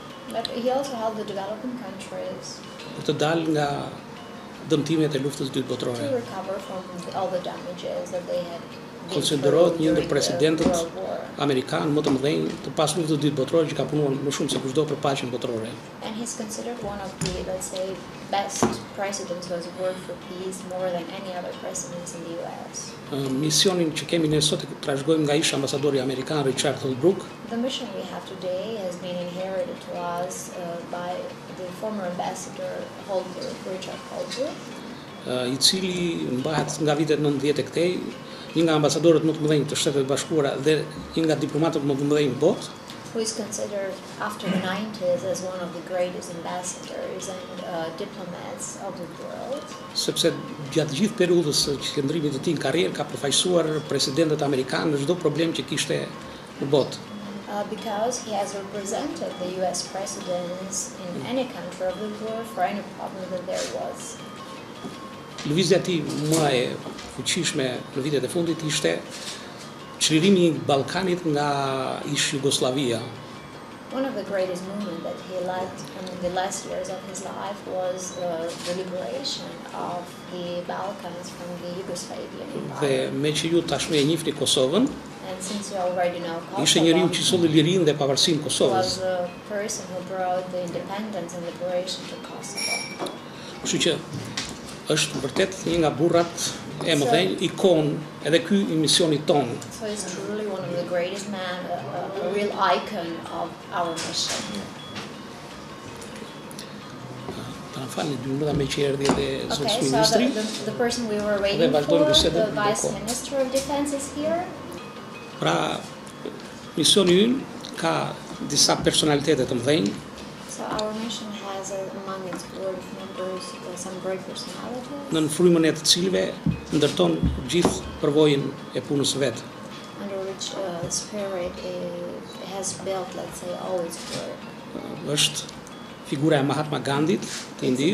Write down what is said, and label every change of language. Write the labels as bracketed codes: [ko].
[en] But he also helped the developing countries [sq] për të dalë nga dëmtimet e luftës dytë botërore. [en] To recover from all the damages that they had. [sq] Konsiderohet një ndër presidentët amerikanë më të mëdhenj të pas luftës së dytë botërore që ka punuar më shumë se kushdo për paqen botërore. [en] And he's considered one of the, let's say, best presidents who has worked for peace more than any other presidents in the US. [sq] Misionin që kemi ne sot e trashëgojmë nga ish ambasadori amerikan Richard Holbrooke. [en] The mission we have today has been inherited to us by the former ambassador Holbrooke, Richard Holbrooke. [sq] I cili mbahet nga vitet 90 e këtej, një nga ambasadorët më të mëdhenj të Shteteve të Bashkuara dhe një nga diplomatët më të mëdhenj në botë. [en] Who is considered after the 90s as one of the greatest ambassadors and diplomats of the world. [sq] Sepse gjatë gjithë periudhës së qëndrimit të tij në karrierë ka përfaqësuar presidentët amerikan në çdo problem që kishte në botë. [en] Because he has represented the US presidents in any country of the world for any problem that there was. [sq] Lëvizja e tij më e fuqishme në vitet e fundit ishte çlirimi I Ballkanit nga ish Jugosllavia. [en] One of the greatest moments that he led in the last years of his life was the liberation of the Balkans from the Yugoslavia. [sq] Dhe me që ju tashmë e njihni Kosovën, [en] and since you already know Kosovo, [sq] ishte njeriu që solli lirinë dhe pavarësinë Kosovës. [en] Was the person who brought the independence and liberation to Kosovo. [sq] Kështu që është vërtet një nga burrat e mëdhenj, ikon, edhe ky I misionit tonë. [en] So he's truly one of the greatest men, a real icon of our mission. [sq] Ta në falë, dy mëdha me që erdi edhe zonës okay, ministri. [en] So the person we were waiting for, the Vice Minister of Defense is here. [sq] Pra, misioni ynë ka disa personalitetet të mëdhenjë. [en] So our mission has among its board members some great personalities. [sq] Në frymën e të cilëve ndërton gjithë përvojën e punës vetë. [en] Under which spirit it has built, let's say, all its work. [sq] Është figura e Mahatma Gandhit të Indisë.